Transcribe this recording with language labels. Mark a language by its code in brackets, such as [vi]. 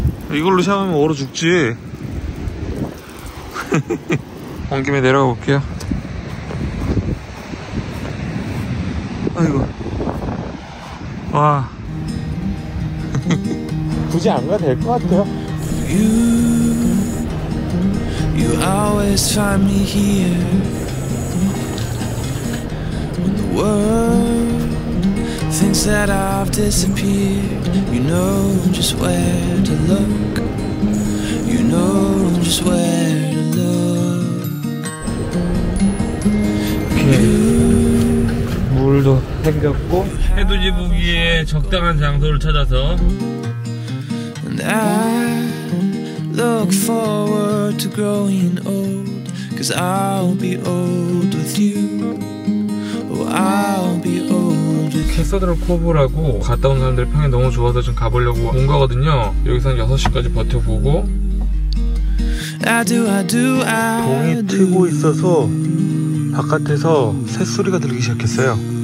[ko] 이걸로 샤워하면 얼어 죽지. 온 김에 내려가 볼게요. 아이고, 와. 굳이 안 가도 될 것 같아요. [en] You always find me here when the world things that I've disappeared. You know just where to look. You know just where to look. [ko] 물도 생겼고 해돋이 부기에 적당한 장소를 찾아서. [en] And I look forward to growing old, 'cause I'll be old with you. Oh, I'll be old. [ko] 캐서드럴 코브라고 갔다 온 사람들 평이 너무 좋아서 좀 가보려고 온 거거든요. 여기서 한 6시까지 버텨보고 봉이 트고 있어서 바깥에서 새소리가 들리기 시작했어요.